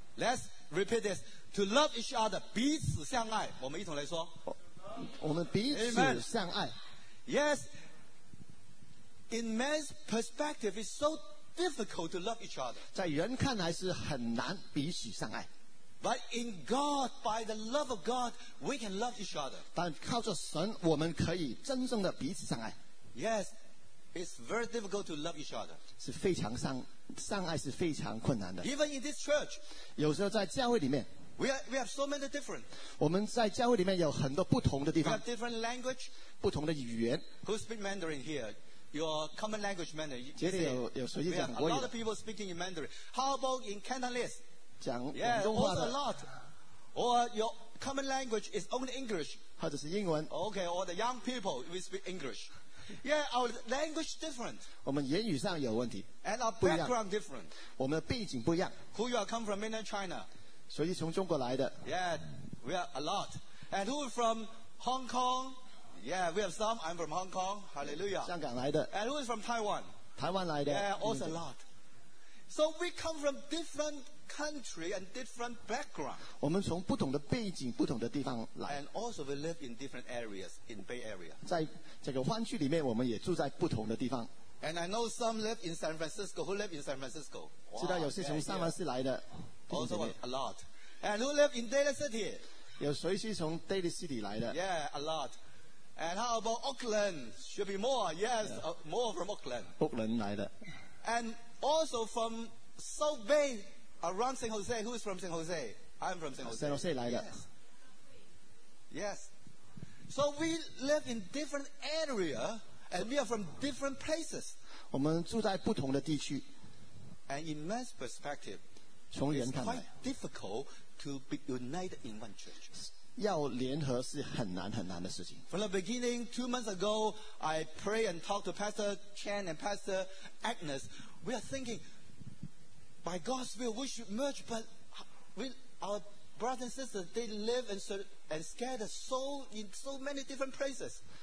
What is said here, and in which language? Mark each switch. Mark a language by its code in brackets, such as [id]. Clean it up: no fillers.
[en] Let's repeat this To love each other [zh] 彼此相爱我们一同来说我们彼此相爱 [en] Yes In man's perspective, it's so difficult to love each other. [zh] 在人看来是很难彼此相爱。 [en] But in God, by the love of God, we can love each other. [zh] 但靠着神，我们可以真正的彼此相爱。 [en] Yes, it's very difficult to love each other. [zh] 是非常相爱是非常困难的。 [en] Even in this church, [zh] 有时候在教会里面。 [en] We have so many different. [zh] 我们在教会里面有很多不同的地方。 [en] We have different language. [zh] 不同的语言。 [en] Who speak Mandarin here? Your common language Mandarin. [zh] 这里有谁讲国语 [en] We have a lot of people speaking in Mandarin. How about in Cantonese? [zh] 讲广东话的 [en] Yeah, also a lot. Or your common language is only English. [zh] 或者是英文 [en] Okay, or the young people, we speak English. Yeah, our language different. [zh] 我们言语上有问题 [en] And our background different. [zh] 我们的背景不一样 [en] Who you are come from mainland China? [zh] 谁从中国来的 [en] Yeah, we are a lot. And who from Hong Kong? Yeah, we have some. I'm from Hong Kong. Hallelujah. [zh] 香港来的。 [en] And who is from Taiwan? [zh] 台湾来的。 [en] Yeah, also a lot. So we come from different country and different background. [zh] 我们从不同的背景、不同的地方来。 [en] And also we live in different areas in Bay Area. [zh] 在这个湾区里面，我们也住在不同的地方。 [en] And I know some live in San Francisco. Who live in San Francisco? [zh] 知道有些从三藩市来的。 [en] Also a lot. And who live in Daly City? [zh] 有谁是从 Daly City 来的 [en] ？Yeah, a lot. And how about Auckland? Should be more, yes, more from Auckland. [zh] Auckland 来的。 [en] And also from South Bay, around San Jose. Who is from San Jose? I'm from San Jose. [zh] San Jose 来的。 [en] Yes. So we live in different area, and we are from different places. [zh] 我们住在不同的地区。 [en] And in man's perspective, [zh] 从人看来 [en] it's quite difficult to be united in one church. [zh] 要联合是很难很难的事情。 [en] From the beginning, 2 months ago, I pray and talk to Pastor Chen and Pastor Agnes. We are thinking, by God's will, we should merge, but our brothers and sisters, they live and scattered so in so many different places.